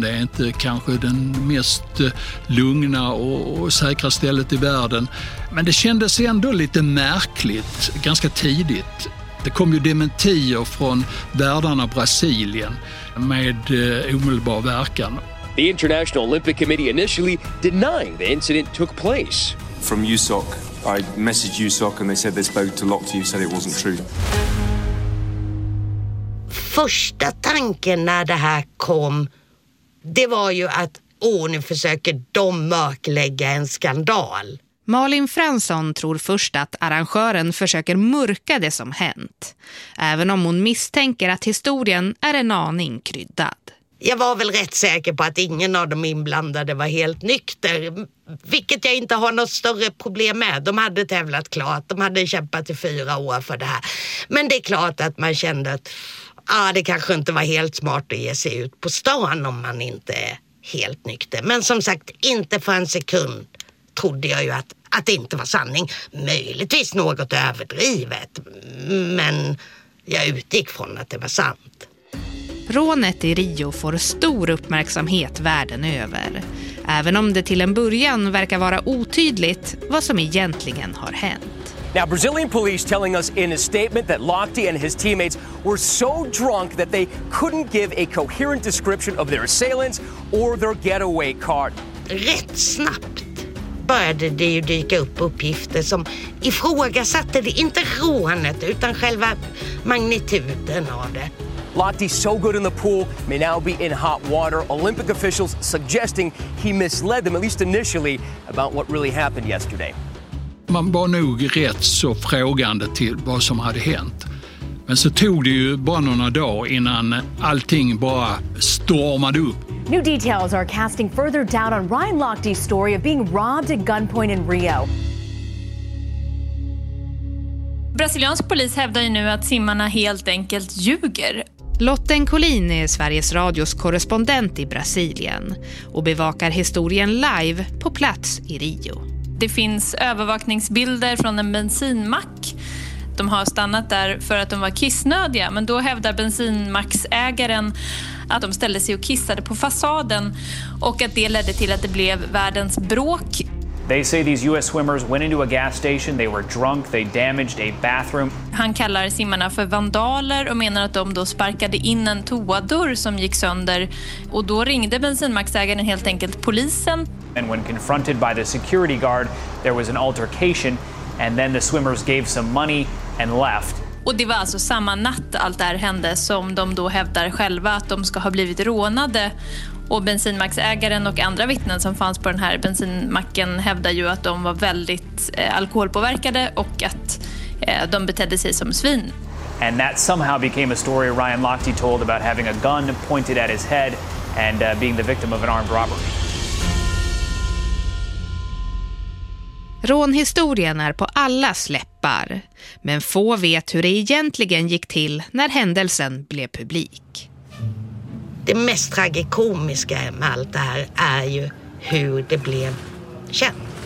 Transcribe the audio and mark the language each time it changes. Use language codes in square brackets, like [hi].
[sv] Det är inte kanske den mest lugna och säkra stället i världen. Men det kändes ändå lite märkligt ganska tidigt. Det kom ju dementier från världarna Brasilien med omedelbar verkan. [en] The International Olympic Committee initially denying the incident took place. From USOC, I messaged USOC and they said they spoke to Lochte, you said it wasn't true. [sv] Första tanken när det här kom, det var ju att nu försöker de mörklägga en skandal. Malin Fransson tror först att arrangören försöker mörka det som hänt, även om hon misstänker att historien är en aning kryddad. Jag var väl rätt säker på att ingen av de inblandade var helt nykter, vilket jag inte har något större problem med. De hade tävlat klart, de hade kämpat i 4 år för det här. Men det är klart att man kände att det kanske inte var helt smart att ge sig ut på stan om man inte är helt nykter. Men som sagt, inte för en sekund trodde jag ju att det inte var sanning. Möjligtvis något överdrivet, men jag utgick från att det var sant. Rånet i Rio får stor uppmärksamhet världen över, även om det till en början verkar vara otydligt vad som egentligen har hänt. [en] Now Brazilian police telling us in a statement that Lochte and his teammates were so drunk that they couldn't give a coherent description of their assailants or their getaway car. [sv] Rätt snabbt började det ju dyka upp uppgifter som ifrågasatte det, inte rånet utan själva magnituden av det. [en] Lochte so good in the pool may now be in hot water. Olympic officials suggesting he misled them, at least initially, about what really happened yesterday. [sv] Man var nog rätt så frågande till vad som hade hänt. Men så tog det ju bara några dagar innan allting bara stormade upp. [en] New details are casting further doubt on Ryan Lochte's story of being robbed at gunpoint in Rio. [sv] Brasiliansk polis hävdar ju nu att simmarna helt enkelt ljuger. Lotten Collin är Sveriges radios korrespondent i Brasilien och bevakar historien live på plats i Rio. Det finns övervakningsbilder från en bensinmack. De har stannat där för att de var kissnödiga, men då hävdar bensinmacksägaren att de ställde sig och kissade på fasaden och att det ledde till att det blev världens bråk. [en] They say these US swimmers went into a gas station, they were drunk, they damaged a bathroom. [sv] Han kallar simmarna för vandaler och menar att de då sparkade in en toadörr som gick sönder. Och då ringde bensinmacksägaren helt enkelt polisen. [en] And when confronted by the security guard, there was an altercation and then the swimmers gave some money and left. [sv] Och det var alltså samma natt allt det här hände som de då hävdar själva att de ska ha blivit rånade. Och bensinmacksägaren och andra vittnen som fanns på den här bensinmacken hävdar ju att de var väldigt alkoholpåverkade och att de betedde sig som svin. [en] And that somehow became a story Ryan Lochte told about having a gun pointed at his head and being the victim of an armed robbery. [sv] Rånhistorien är på alla läppar, men få vet hur det egentligen gick till när händelsen blev publik. Det mest tragikomiska med allt det här är ju hur det blev känt.